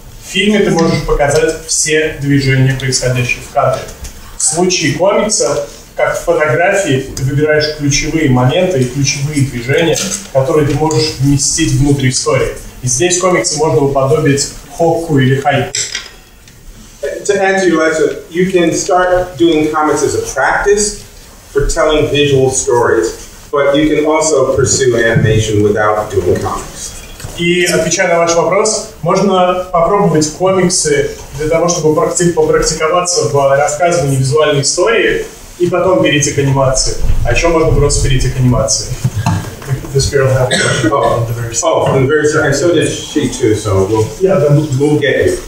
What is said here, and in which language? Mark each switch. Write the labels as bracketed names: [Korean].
[Russian] В фильме ты можешь показать все движения, происходящие в кадре. В случае комикса, как в фотографии, ты выбираешь ключевые моменты и ключевые движения, которые ты можешь вместить внутрь истории. И здесь комиксы можно уподобить хокку или хайку. [English] To answer your question, you can start doing comics as a practice for telling visual stories, but you can also pursue animation without doing comics. [Russian] И, отвечая на ваш вопрос, можно попробовать комиксы для того, чтобы попрактиковаться в рассказывании визуальной истории и потом перейти к анимации. А еще можно просто перейти к анимации. [English] This girl had a question. Oh, I'm very sorry. So did she too, so we'll get you.